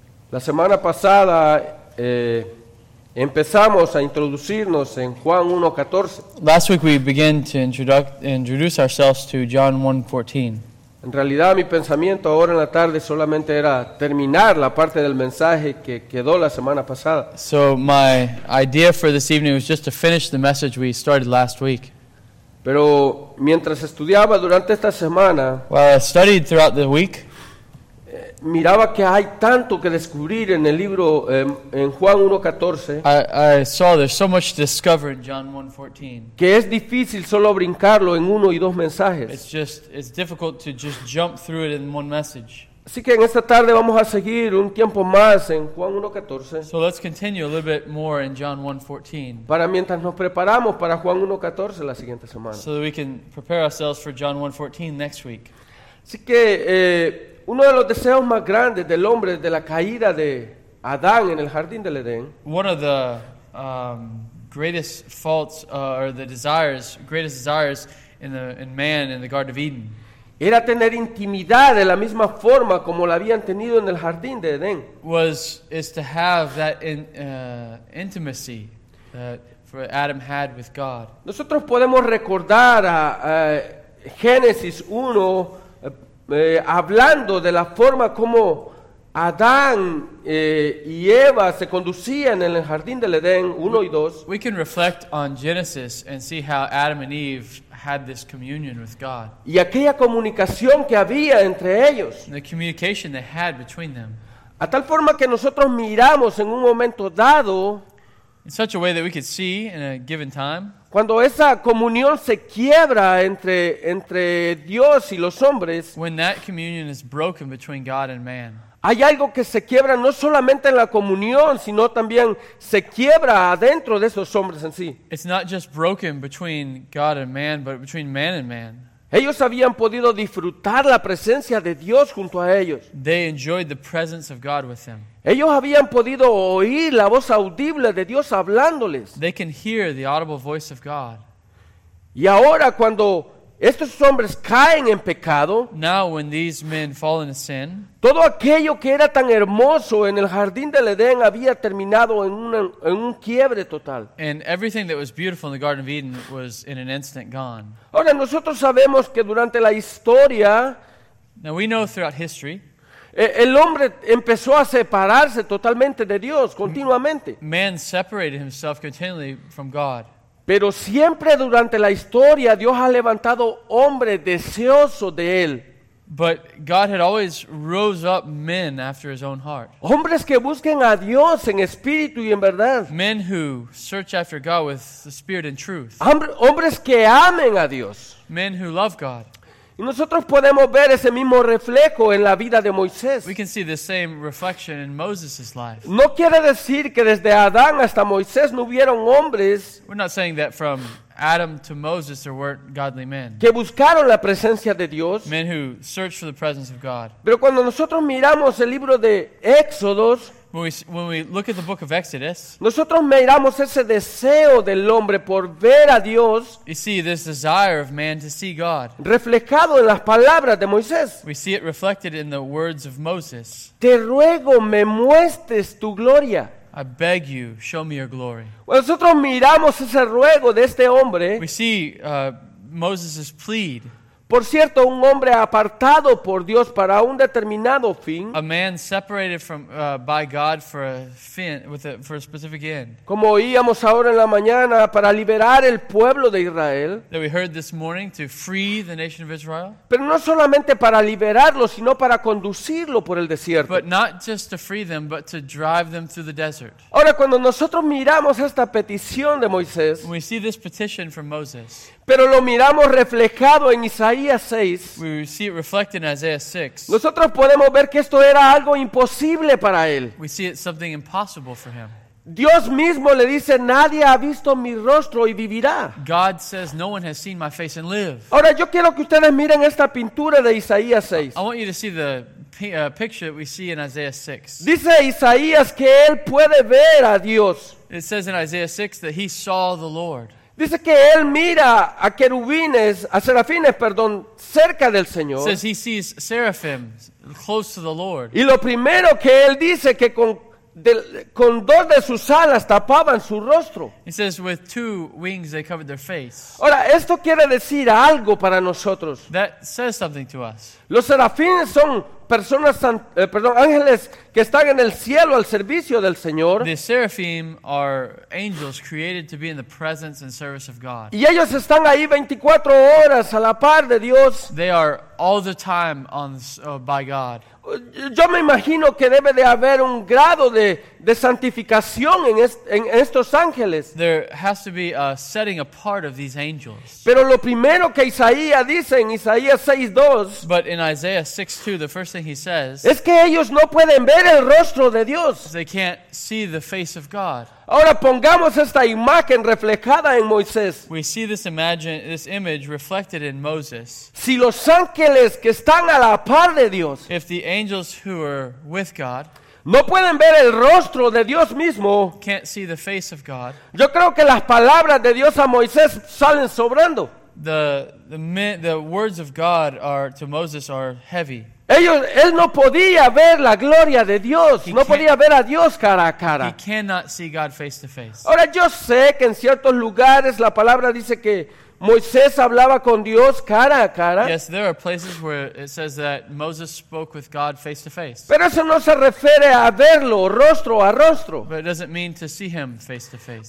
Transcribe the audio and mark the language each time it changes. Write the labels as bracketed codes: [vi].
[es] La semana pasada empezamos a introducirnos en Juan 1:14. [en] Last week we began to introduce ourselves to John 1:14. [es] En realidad mi pensamiento ahora en la tarde solamente era terminar la parte del mensaje que quedó la semana pasada. [en] So my idea for this evening was just to finish the message we started last week. [es] Pero mientras estudiaba durante esta semana, [en] while I studied throughout the week, [es] miraba que hay tanto que descubrir en el libro en Juan 1:14. [en] I saw there's so much to discover in John 1:14. [es] Que es difícil solo brincarlo en uno y dos mensajes. [en] It's difficult to just jump through it in one message. [es] Así que en esta tarde vamos a seguir un tiempo más en Juan 1:14. [en] So let's continue a little bit more in John 1:14. [es] Para mientras nos preparamos para Juan 1:14 la siguiente semana. [en] So that we can prepare ourselves for John 1:14 next week. [es] Así que uno de los deseos más grandes del hombre de la caída de Adán en el jardín del Edén. [en] One of the greatest faults or the desires, greatest desires in man in the Garden of Eden. [es] Era tener intimidad de la misma forma como la habían tenido en el jardín de Edén. [en] Is to have that intimacy that for Adam had with God. [es] Nosotros podemos recordar a Génesis 1 hablando de la forma como Adán y Eva se conducían en el jardín del Edén 1 y 2. [en] We can reflect on Genesis and see how Adam and Eve had this communion with God. [es] Y aquella comunicación que había entre ellos. [en] The communication they had between them. [es] A tal forma que nosotros miramos en un momento dado. [en] In such a way that we could see in a given time. [es] Cuando esa comunión se quiebra entre Dios y los hombres. [en] When that communion is broken between God and man. [es] Hay algo que se quiebra no solamente en la comunión, sino también se quiebra adentro de esos hombres en sí. [en] It's not just broken between God and man, but between man and man. [es] Ellos habían podido disfrutar la presencia de Dios junto a ellos. [en] They enjoyed the presence of God with them. [es] Ellos habían podido oír la voz audible de Dios hablándoles. [en] They can hear the audible voice of God. [es] Y ahora cuando estos hombres caen en pecado. [en] Now when these men fall into sin. [es] Todo aquello que era tan hermoso en el jardín del Edén había terminado en un quiebre total. [en] And everything that was beautiful in the Garden of Eden was in an instant gone. [es] Ahora nosotros sabemos que durante la historia. [en] Now we know throughout history. [es] El hombre empezó a separarse totalmente de Dios continuamente. [en] Man separated himself continually from God. [es] Pero siempre durante la historia Dios ha levantado hombre deseoso de él. [en] But God had always rose up men after his own heart. [es] Hombres que busquen a Dios en espíritu y en verdad. [en] Men who search after God with the spirit and truth. [es] Hombres que amen a Dios. [en] Men who love God. [es] Y nosotros podemos ver ese mismo reflejo en la vida de Moisés. [en] We can see the same reflection in Moses's life. [es] No quiere decir que desde Adán hasta Moisés no hubieron hombres. [en] We're not saying that from Adam to Moses there weren't godly men. [es] Que buscaron la presencia de Dios. [en] Men who searched for the presence of God. [es] Pero cuando nosotros miramos el libro de Éxodos. [en] When we look at the book of Exodus, [es] nosotros miramos ese deseo del hombre por ver a Dios. [en] You see this desire of man to see God. [es] Reflejado en las palabras de Moisés. [en] We see it reflected in the words of Moses. [es] Te ruego me muestres tu gloria. [en] I beg you, show me your glory. [es] Nosotros miramos ese ruego de este hombre. [en] We see Moses' plead. [es] Por cierto, un hombre apartado por Dios para un determinado fin. [en] A man separated from by God for a fin with a for a specific end. [es] Como oíamos ahora en la mañana para liberar el pueblo de Israel. [en] That we heard this morning to free the nation of Israel. [es] Pero no solamente para liberarlo, sino para conducirlo por el desierto. [en] But not just to free them, but to drive them through the desert. [es] Ahora cuando nosotros miramos esta petición de Moisés. [en] We see this petition from Moses. [es] Pero lo miramos reflejado en Isaías 6. [en] We see it reflected in Isaiah 6. [es] Nosotros podemos ver que esto era algo imposible para él. [en] We see it something impossible for him. [es] Dios mismo le dice, nadie ha visto mi rostro y vivirá. [en] God says, no one has seen my face and live. [es] Ahora yo quiero que ustedes miren esta pintura de Isaías 6. [en] I want you to see the picture that we see in Isaiah 6. [es] Dice Isaías que él puede ver a Dios. [en] It says in Isaiah 6 that he saw the Lord. [es] Dice que él mira a querubines, a serafines, perdón, cerca del Señor. [en] Says he sees seraphims close to the Lord. [es] Y lo primero que él dice que con dos de sus alas tapaban su rostro. [en] He says with two wings they covered their face. [es] Ahora, esto quiere decir algo para nosotros. [en] That says something to us. [es] Los serafines son personas, ángeles que están en el cielo al servicio del Señor. [en] The seraphim are angels created to be in the presence and service of God. [es] Y ellos están ahí 24 horas a la par de Dios. [en] They are all the time on by God. [es] Yo me imagino que debe de haber un grado de santificación en estos ángeles. [en] There has to be a setting apart of these angels. [es] Pero lo primero que Isaías dice en Isaías 6:2, [en] but in Isaiah 6:2, the first thing he says, [es] es que ellos no pueden ver el rostro de Dios. [en] They can't see the face of God. [es] Ahora pongamos esta imagen reflejada en Moisés. [en] We see this image reflected in Moses. [es] Si los ángeles que están a la par de Dios, [en] if the angels who are with God, [es] no pueden ver el rostro de Dios mismo, [en] can't see the face of God, [es] yo creo que las palabras de Dios a Moisés salen sobrando. [en] The words of God are to Moses are heavy. [es] Él no podía ver la gloria de Dios, no podía ver a Dios cara a cara. [en] He cannot see God face to face. [es] Ahora yo sé que en ciertos lugares la palabra dice que Moisés hablaba con Dios cara a cara. [en] Yes, there are places where it says that Moses spoke with God face to face. [es] Pero eso no se refiere a verlo rostro a rostro. [en] But it doesn't mean to see him face to face.